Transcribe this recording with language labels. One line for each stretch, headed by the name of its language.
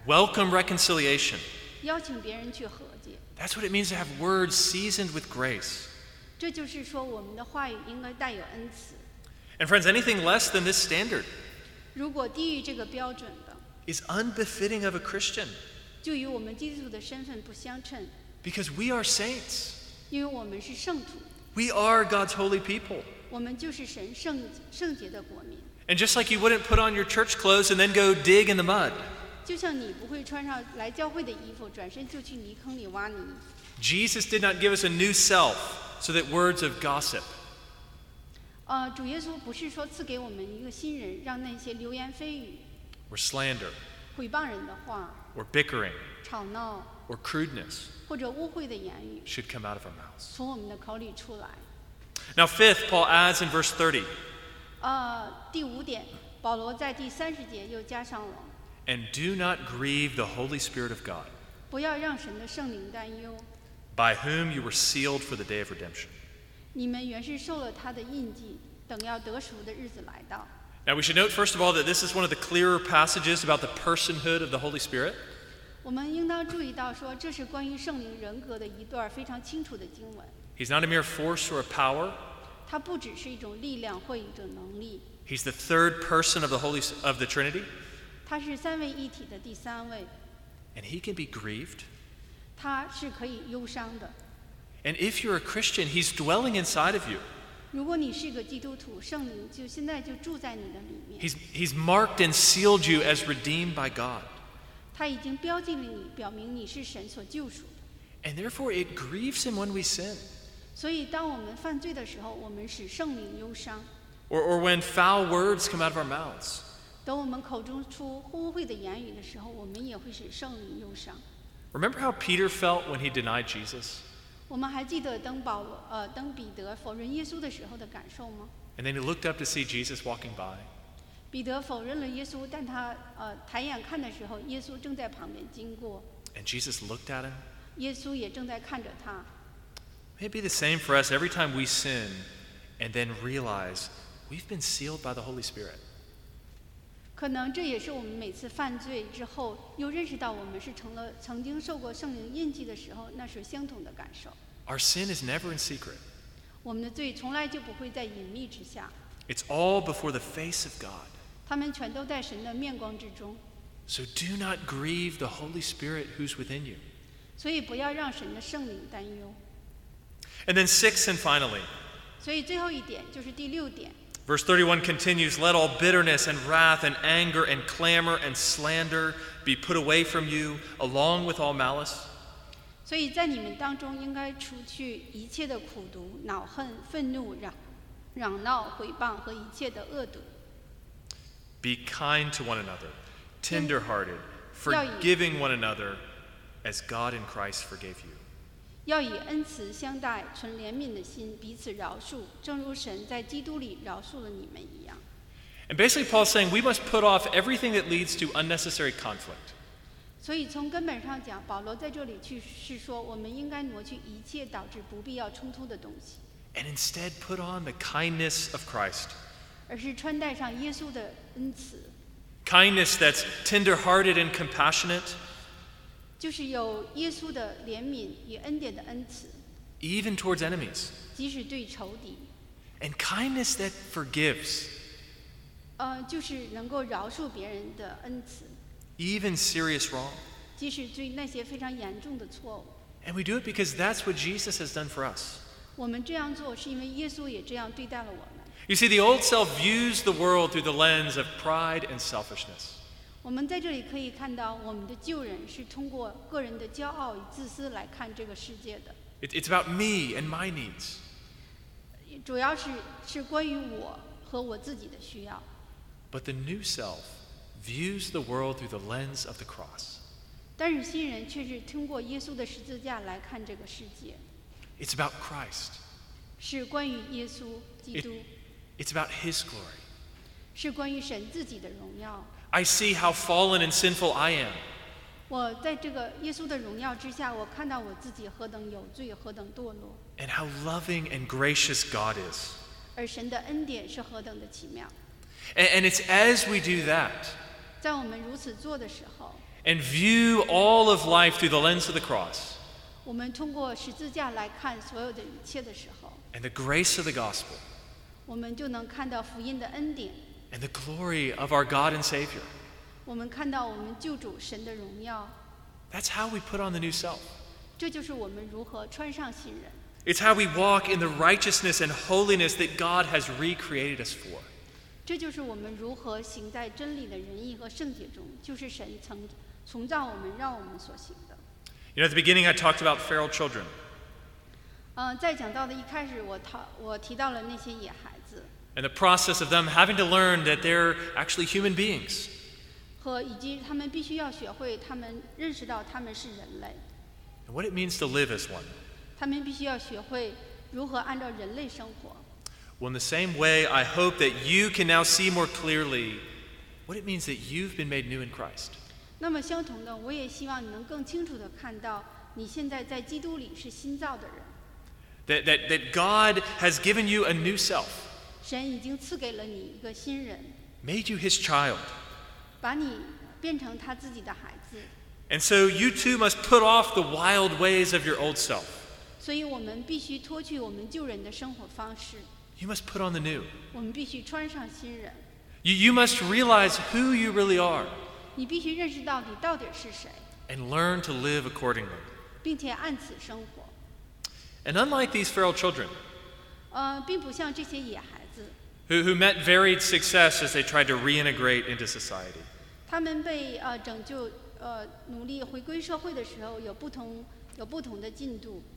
English: Welcome reconciliation.
Chinese: 邀请别人去和解。
English: That's what it means to have words seasoned with grace.
Chinese: 这就是说我们的话语应该带有恩慈。
English: And friends, anything less than this standard
Chinese: 如果低于这个标准的
English: is unbefitting of a Christian
Chinese: 就与我们基督徒的身份不相称
English: because we are saints
Chinese: 因为我们是圣徒
English: we are God's holy people
Chinese: 我们就是神圣洁的国民
English: and just like you wouldn't put on your church clothes and then go dig in the mud
Chinese: 就像你不会穿上来教会的衣服转身就去泥坑里挖泥
English: Jesus did not give us a new self so that words of gossip
Chinese: 主耶稣不是说赐给我们一个新人，让那些流言蜚语
English: ，or slander，
Chinese: 毁谤人的话
English: ，or bickering，
Chinese: 吵闹
English: ，or crudeness，
Chinese: 或者污秽的言语
English: ，should come out of our mouths，
Chinese: 从我们的口里出来。
English: Now fifth, Paul adds in verse 30.
Chinese: 第五点，保罗在第三十节又加上了。
English: And do not grieve the Holy Spirit of God.
Chinese: 不要让神的圣灵担忧。
English: By whom you were sealed for the day of redemption.
Chinese: 你们原是受了他的印记，等要得赎的日子来到。
English: Now we should note first of all that this is one of the clearer passages about the personhood of the Holy Spirit.
Chinese: 我们应当注意到说，这是关于圣灵人格的一段非常清楚的经文。
English: He's not a mere force or a power.
Chinese: 他不只是一种力量或一种能力。
English: He's the third person of the Trinity.
Chinese: 他是三位一体的第三位。
English: And he can be grieved.
Chinese: 他是可以忧伤的。
English: And if you're a Christian, he's dwelling inside of you.
Chinese: 如果你是个基督徒，圣灵就现在就住在你的里面。
English: He's marked and sealed you as redeemed by God.
Chinese: 他已经标记了你，表明你是神所救赎的。
English: And therefore, it grieves him when we sin.
Chinese: 所以当我们犯罪的时候，我们使圣灵忧伤。
English: Or when foul words come out of our mouths.
Chinese: 当我们口中出污秽的言语的时候，我们也会使圣灵忧伤。
English: Remember how Peter felt when he denied Jesus?
Chinese: 我们还记得登彼得否认耶稣的时候的感受吗？
English: And then he looked up to see Jesus walking by.
Chinese: 彼得否认了耶稣，但他抬眼看的时候，耶稣正在旁边经过。
English: And Jesus looked at him.
Chinese: 耶稣也正在看着他。
English: May it be the same for us every time we sin, and then realize we've been sealed by the Holy Spirit.
Chinese: 可能这也是我们每次犯罪之后又认识到我们是成了曾经受过圣灵印记的时候那是相同的感受
English: Our sin is never in secret
Chinese: 我们的罪从来就不会在隐秘之下
English: It's all before the face of God
Chinese: 他们全都在神的面光之中。
English: So do not grieve the Holy Spirit who's within you.
Chinese: 所以不要让神的圣灵担忧。
English: And then sixth and finally.
Chinese: 所以最后一点就是第六点。
English: Verse 31 continues, let all bitterness and wrath and anger and clamor and slander be put away from you along with all malice.
Chinese: 所以在你们当中应该除去一切的苦毒、恼恨、愤怒、嚷闹、毁谤和一切的恶毒。
English: Be kind to one another, tender-hearted, forgiving one another as God in Christ forgave you.
Chinese: 要以恩慈相待，存怜悯的心，彼此饶恕，正如神在基督里饶恕了你们一样。
English: And basically, Paul's saying we must put off everything that leads to unnecessary conflict.
Chinese: 所以从根本上讲，保罗在这里去是说，我们应该挪去一切导致不必要冲突的东西。
English: And instead, put on the kindness of Christ.
Chinese: 而是穿戴上耶稣的恩慈。
English: Kindness that's tender-hearted and compassionate.
Chinese: 就是有耶稣的怜悯与恩典的恩慈
English: even towards enemies,
Chinese: 即使对仇敌
English: and kindness that forgives,
Chinese: 就是能够饶恕别人的恩慈
English: even serious wrong,
Chinese: 即使对那些非常严重的错误
English: and we do it because that's what Jesus has done for us.
Chinese: 我们这样做是因为耶稣也这样对待了我们
English: You see, the old self views the world through the lens of pride and selfishness.
Chinese: 我们在这里可以看到我们的旧人是通过个人的骄傲与自私来看这个世界的
English: It's about me and my needs
Chinese: 主要 是关于我和我自己的需要
English: But the new self views the world through the lens of the cross
Chinese: 但是新人却是通过耶稣的十字架来看这个世界
English: It's about Christ
Chinese: 是关于耶稣基督
English: It's about his glory
Chinese: 是关于神自己的荣耀
English: I see how fallen and sinful I am.
Chinese: 我在这个耶稣的荣耀之下，我看到我自己何等有罪，何等堕落。
English: And how loving and gracious God is.
Chinese: 而神的恩典是何等的奇妙。
English: And it's as we do that.
Chinese: 在我们如此做的时候。
English: And view all of life through the lens of the cross.
Chinese: 我们通过十字架来看所有的一切的时候。
English: And the grace of the gospel.
Chinese: 我们就能看到福音的恩典。
English: And the glory of our God and Savior.
Chinese: 我们看到我们救主神的荣耀。
English: That's how we put on the new self.
Chinese: 这就是我们如何穿上新人。
English: It's how we walk in the righteousness and holiness that God has recreated us for.
Chinese: 这就是我们如何行在真理的仁义和圣洁中，就是神曾重造我们，让我们所行的。
English: You know, at the beginning, I talked about feral children.
Chinese: 在讲到的一开始，我提到了那些野孩子。
English: And the process of them having to learn that they're actually human beings.
Chinese: 和以及他们必须要学会，他们认识到他们是人类。
English: And what it means to live as one.
Chinese: 他们必须要学会如何按照人类生活。
English: Well, in the same way, I hope that you can now see more clearly what it means that you've been made new in Christ.
Chinese: 那么相同的，我也希望你能更清楚地看到，你现在在基督里是新造的人。
English: That God has given you a new self.
Chinese: 神已经赐给了你一个新人
English: made you his child
Chinese: 把你变成他自己的孩子
English: and so you too must put off the wild ways of your old self
Chinese: 所以我们必须脱去我们旧人的生活方式
English: you must put on the new
Chinese: 我们必须穿上新人
English: you must realize who you really are
Chinese: 你必须认识到你到底是谁
English: and learn to live accordingly
Chinese: 并且按此生活
English: and unlike these feral children
Chinese: 并不像这些野孩子
English: Who met varied success as they tried to reintegrate into society.
Chinese: 他们被拯救努力回归社会的时候有不同的进度。